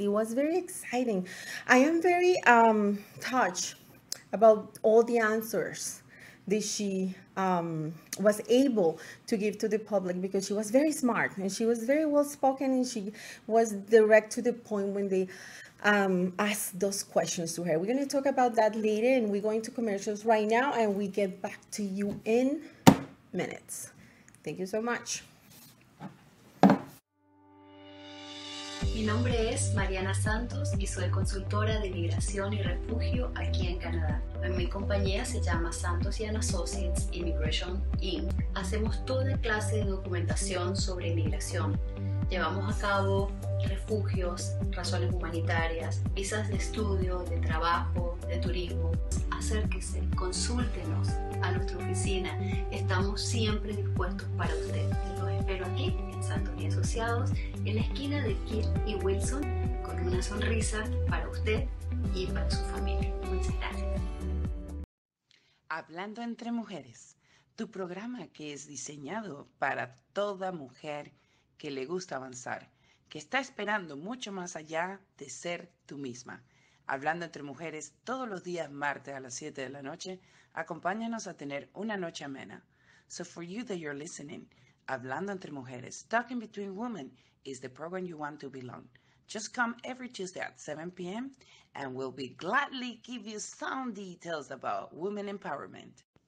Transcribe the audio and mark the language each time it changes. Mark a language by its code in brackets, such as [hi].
[en] It was very exciting. I am very touched about all the answers that she was able to give to the public because she was very smart and she was very well spoken and she was direct to the point when they ask those questions to her. We're going to talk about that later, and we're going to commercials right now, and we get back to you in minutes. Thank you so much. [es] Mi nombre es Mariana Santos y soy consultora de migración y refugio aquí en Canadá. Mi compañía se llama Santos y S.O.S. Immigration Inc. Hacemos toda clase de documentación sobre inmigración. Llevamos a cabo refugios, razones humanitarias, visas de estudio, de trabajo, de turismo. Acérquese, consúltenos a nuestra oficina. Estamos siempre dispuestos para usted. Los espero aquí en Santos y Asociados, en la esquina de Kirk y Wilson, con una sonrisa para usted y para su familia. Muchas gracias. Hablando entre mujeres, tu programa que es diseñado para toda mujer que le gusta avanzar, que está esperando mucho más allá de ser tú misma. Hablando entre mujeres, todos los días martes a las 7 de la noche, acompáñanos a tener una noche amena. [en] So for you that you're listening, Hablando entre mujeres, Talking Between Women is the program you want to belong. Just come every Tuesday at 7 p.m. and we'll be gladly give you some details about women empowerment.